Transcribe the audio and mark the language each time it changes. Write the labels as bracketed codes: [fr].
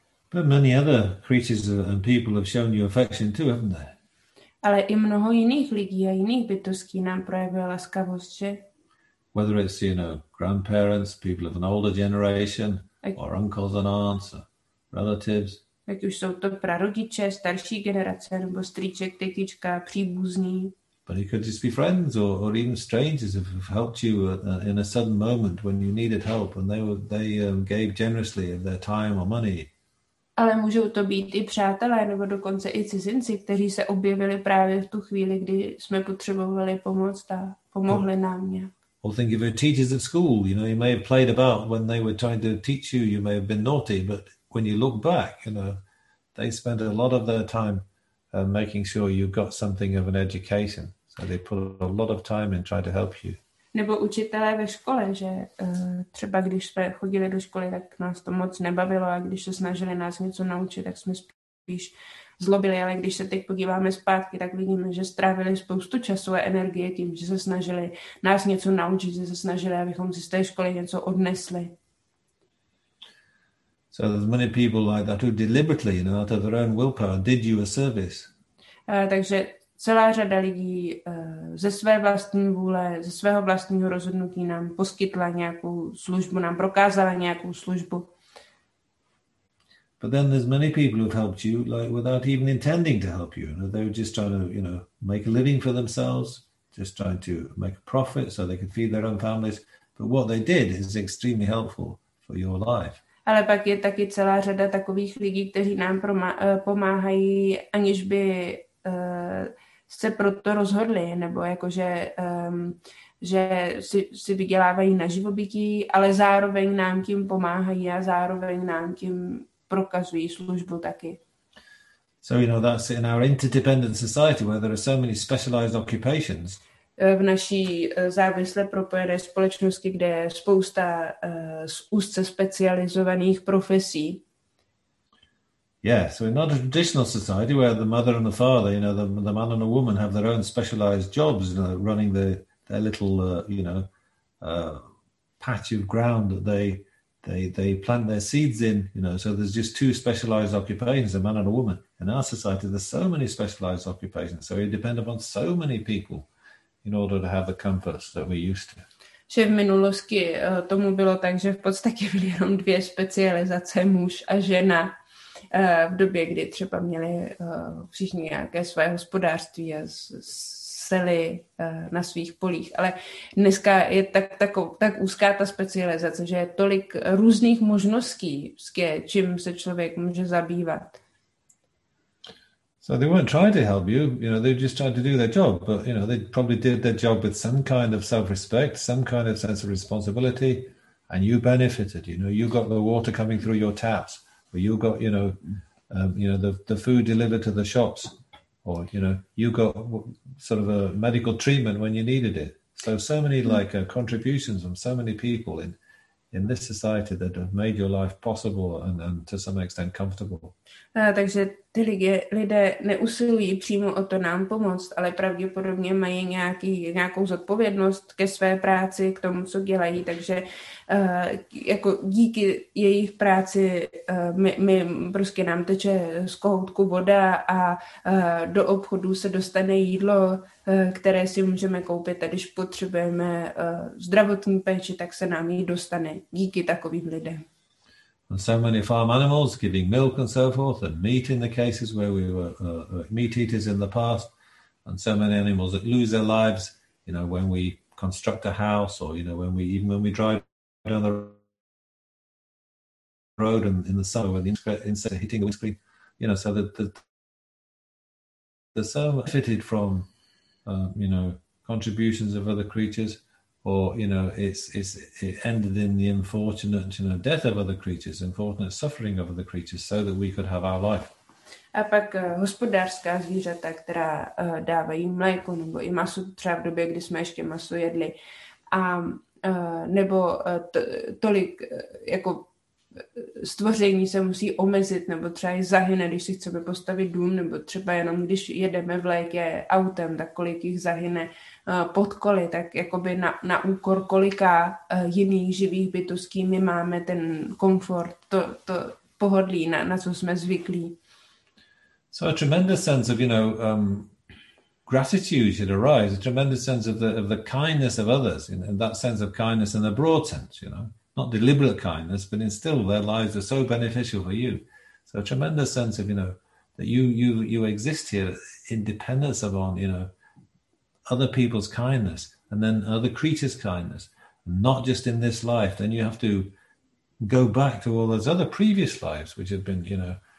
[en] But many other creatures and people have shown you affection too, haven't they? [cs] Ale i mnoho jiných lidí a jiných bytostí nám projevuje laskavost, že? [en] Whether it's, you know, grandparents, people of an older generation, or uncles and aunts, or relatives. [cs] Ať už jsou to prarodiče, starší generace, nebo strýček, tetička, příbuzní. [en] But it could just be friends or even strangers who have helped you in a sudden moment when you needed help, and they gave generously of their time or money. [cs] ale můžou to být i přátelé nebo dokonce i cizinci, kteří se objevili právě v tu chvíli, kdy jsme potřebovali pomoc a pomohli nám nějak. [en] Or think of your teachers at school. You know, you may have played about when they were trying to teach you. You may have been naughty, but when you look back, you know, they spent a lot of their time making sure you got something of an education. So they put a lot of time in trying to help you. [cs] Nebo učitelé ve škole, že třeba když jsme chodili do školy, tak nás to moc nebavilo, a když se snažili nás něco naučit, tak jsme spíš zlobili, ale když se teď podíváme zpátky, tak vidíme, že strávili spoustu času a energie tím, že se snažili nás něco naučit, že se snažili, abychom si z té školy něco odnesli. [en] So there's many people like that who deliberately, you know, out of their own willpower, did you a service. [cs] Takže celá řada lidí ze své vlastní vůle, ze svého vlastního rozhodnutí nám poskytla nějakou službu, nám prokázala nějakou službu. [en] But then there's many people who've helped you like without even intending to help you. They were just trying to, you know, make a living for themselves, just trying to make a profit so they could feed their own families. But what they did is extremely helpful for your life. [cs] Ale pak je taky celá řada takových lidí, kteří nám pomáhají, aniž by se proto rozhodli, nebo jakože že si vydělávají na živobytí, ale zároveň nám tím pomáhají a zároveň nám tím prokazují službu taky. [en] So you know that's in our interdependent society where there are so many specialized occupations. [cs] V naší závisle propojené společnosti, kde je spousta úzce specializovaných profesí. [en] Yeah, so we're not a traditional society where the mother and the father, you know, the man and the woman have their own specialized jobs, you know, running their little, you know, patch of ground that they plant their seeds in, you know, so there's just two specialized occupations, a man and a woman. In our society, there's so many specialized occupations, so we depend upon so many people in order to have the comforts that we used to. [cs] Že v minulosti tomu bylo tak, že v podstatě byly jenom dvě specializace, muž a žena, v době, kdy třeba měli všichni nějaké své hospodářství a seli na svých polích. Ale dneska je tak úzká ta specializace, že je tolik různých možností, čím se člověk může zabývat. [en] So they weren't trying to help you, you know, they just tried to do their job, but, you know, they probably did their job with some kind of self-respect, some kind of sense of responsibility, and you benefited, you know, you got the water coming through your taps, or you got, you know, the food delivered to the shops, or, you know, you got sort of a medical treatment when you needed it. So many, like, contributions from so many people in this society that have made your life possible and to some extent comfortable. [cs] Takže ty lidé neusilují přímo o to nám pomoct, ale pravděpodobně mají nějakou zodpovědnost ke své práci, k tomu, co dělají, takže jako díky jejich práci my prostě nám teče z kohoutku voda a do obchodu se dostane jídlo, které si můžeme koupit, a když potřebujeme zdravotní péči, tak se nám ji dostane díky takovým lidem. [en] And so many farm animals giving milk and so forth, and meat in the cases where we were meat eaters in the past, and so many animals that lose their lives, you know, when we construct a house, or, you know, when we drive down the road and in the summer when the insect hitting the windscreen, you know, so that they're so benefited from, you know, contributions of other creatures. Or, you know, it ended in the unfortunate, you know, death of other creatures, unfortunate suffering of other creatures, so that we could have our life. [cs] A pak hospodářská zvířata, která dávají mléko nebo i maso, třeba v době, kdy jsme ještě maso jedli, a nebo tolik jako stvoření se musí omezit, nebo třeba i zahyne, když si chceme postavit dům, nebo třeba jenom když jedeme v létě autem, tak kolik jich zahyne pod koli, tak jakoby na úkor kolika jiných živých bytostí my máme ten komfort, to pohodlí, na co jsme zvyklí. [en] So a tremendous sense of, you know, gratitude should arise, a tremendous sense of the kindness of others, you know, that sense of kindness in the broad sense, you know. Not deliberate kindness, but in still their lives are so beneficial for you. So a tremendous sense of, you know, that you exist here independence of on, you know, other people's kindness and then other creatures' kindness, not just in this life. Then you have to go back to all those other previous lives which have been, you know,